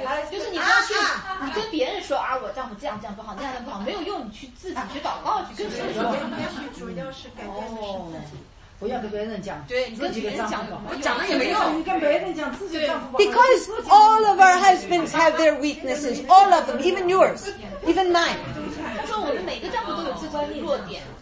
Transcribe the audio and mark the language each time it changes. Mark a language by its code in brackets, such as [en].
[zh] 就是你不要去，你跟别人说啊，我丈夫这样这样不好，那样的不好，没有用，你去自己去祷告去跟神说。主要是改变的是自己。不要跟别人讲，对，你跟几个丈夫，我讲了也没用。你跟别人讲自己丈夫吧。 [en] Because all of our husbands have their weaknesses, all of them, even yours, even mine. [zh] 他说我们每个丈夫都有自尊的弱点。